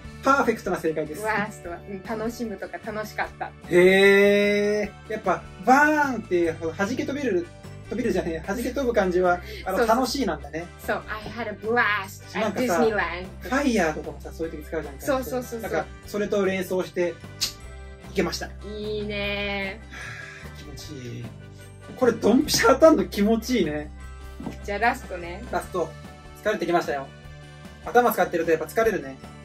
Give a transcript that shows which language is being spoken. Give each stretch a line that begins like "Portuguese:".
Japanese: パーフェクトな正解です。ワーストは、うん、楽しむとか楽しかった。へぇー。やっぱ、バーンって、弾け飛びる、飛びるじゃねえ、弾け飛ぶ感じは、あの、楽しいなんだね。
English: そう、I had a blast at Disneyland。
Japanese: ファイヤーとかもさ、そういう時使うじゃないですか。そう。なんか、それと連想して、いけました。いいねー。気持ちいい。これドンピシャ当たんの気持ちいいね。じゃあラストね。ラスト疲れてきましたよ。頭使ってるとやっぱ疲れるね。